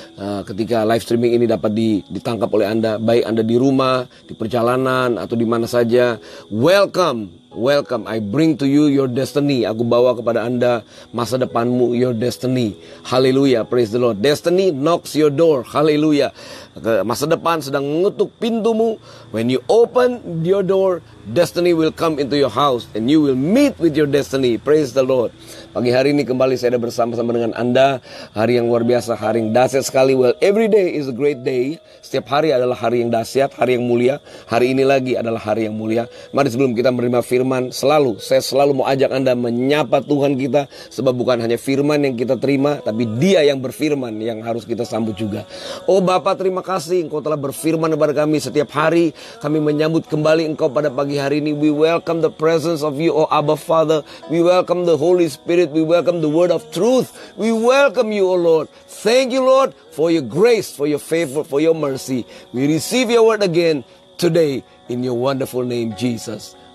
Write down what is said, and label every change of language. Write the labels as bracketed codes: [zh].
[id] Ketika live streaming ini dapat ditangkap oleh Anda, baik Anda di rumah, di perjalanan, atau di mana saja. [en] Welcome, welcome. I bring to you your destiny. [id] Aku bawa kepada Anda masa depanmu, [en] your destiny. Hallelujah, praise the Lord. Destiny knocks your door. Hallelujah. [id] Masa depan sedang mengetuk pintumu. [en] When you open your door, destiny will come into your house and you will meet with your destiny. Praise the Lord. [id] Pagi hari ini kembali saya ada bersama-sama dengan Anda. Hari yang luar biasa, hari yang dahsyat sekali. [en] Well, every day is a great day. [id] Setiap hari adalah hari yang dahsyat, hari yang mulia. Hari ini lagi adalah hari yang mulia. Mari sebelum kita menerima firman, selalu, saya selalu mau ajak Anda menyapa Tuhan kita. Sebab bukan hanya firman yang kita terima, tapi Dia yang berfirman yang harus kita sambut juga. Oh Bapa, terima kasih Engkau telah berfirman kepada kami. Setiap hari kami menyambut kembali Engkau pada pagi hari ini. [en] We welcome the presence of you, oh Abba Father. We welcome the Holy Spirit. We welcome the word of truth. We welcome you, oh Lord. Thank you, Lord, for your grace, for your favor, for your mercy. We receive your word again today in your wonderful name, Jesus.